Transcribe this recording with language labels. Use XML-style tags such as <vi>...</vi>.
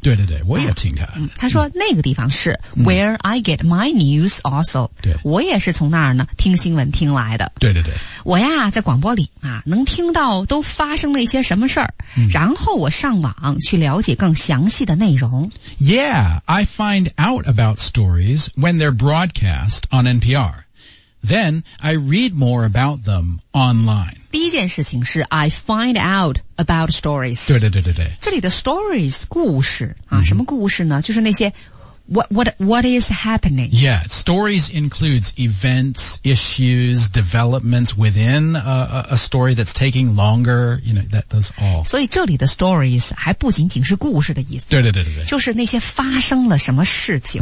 <zh>对对对，我也听他。他说那个地方是</zh> <en>where I get my news also.</en> <zh>对。我也是从那儿呢，听新闻听来的。对对对。我呀，在广播里啊，能听到都发生了一些什么事儿，然后我上网去了解更详细的内容。</zh> <en>Yeah, I find out about stories when they're broadcast on NPR. Then I read more about them online.</en> <zh>第一件事情是</zh> <en>I find out about stories.</en> <zh>对对对对对。这里的 stories, 故事啊、什么故事呢就是那些</zh> <en>what is happening? Yeah, stories includes events, issues, developments within a story that's taking longer, you know, that does all.</en> <zh>所以这里的 stories 还不仅仅是故事的意思。对对对对对。就是那些发生了什么事情。</zh>